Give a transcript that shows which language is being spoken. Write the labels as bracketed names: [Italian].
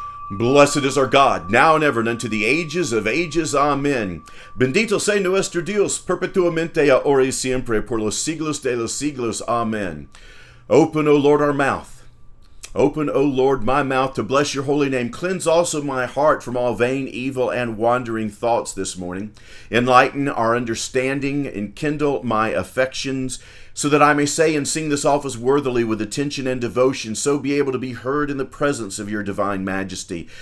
[English] Blessed is our God, now and ever, and unto the ages of ages. Amen. [Spanish] Bendito sea nuestro Dios, perpetuamente, ahora y siempre, por los siglos de los siglos. [English] Amen. Open, O Lord, our mouth. Open, O Lord, my mouth, to bless your holy name. Cleanse also my heart from all vain, evil, and wandering thoughts this morning. Enlighten our understanding, enkindle my affections, so that I may say and sing this office worthily with attention and devotion, so be able to be heard in the presence of your divine majesty.